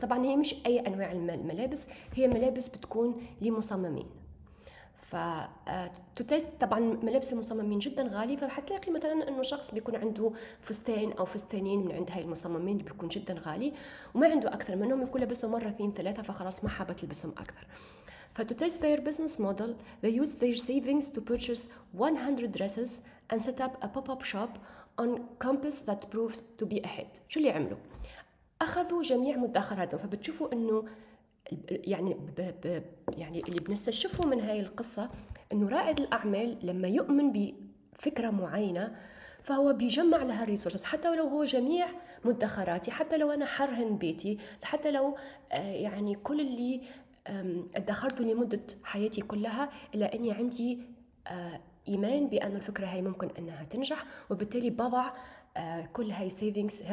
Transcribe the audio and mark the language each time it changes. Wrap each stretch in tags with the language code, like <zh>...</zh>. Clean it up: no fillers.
<ar>طبعا هي مش اي انواع الملابس، هي ملابس بتكون لمصممين. فتوتست طبعا ملابس المصممين جدا غالي، فحتلاقي مثلا انه شخص بيكون عنده فستان او فستانين من عند هاي المصممين بيكون جدا غالي، وما عنده اكثر منهم، يكون لبسه مره اثنين ثلاثه فخلاص ما حابه تلبسهم اكثر.</ar> <en>فتوتست their business model, they use their savings to purchase 100 dresses and set up a pop-up shop on campus that proves to be ahead.</en> <ar>شو اللي عملوا؟ أخذوا جميع مدخراتهم. فبتشوفوا إنه يعني يعني اللي بنستشفه من هاي القصة إنه رائد الأعمال لما يؤمن بفكرة معينة فهو بيجمع لها الريسورسز، حتى ولو هو جميع مدخراتي، حتى لو أنا حرهن بيتي، حتى لو يعني كل اللي ادخرته لمدة حياتي كلها، إلا أني عندي إيمان بأن الفكرة هاي ممكن أنها تنجح، وبالتالي بضع كل هاي سيفينجز.</ar>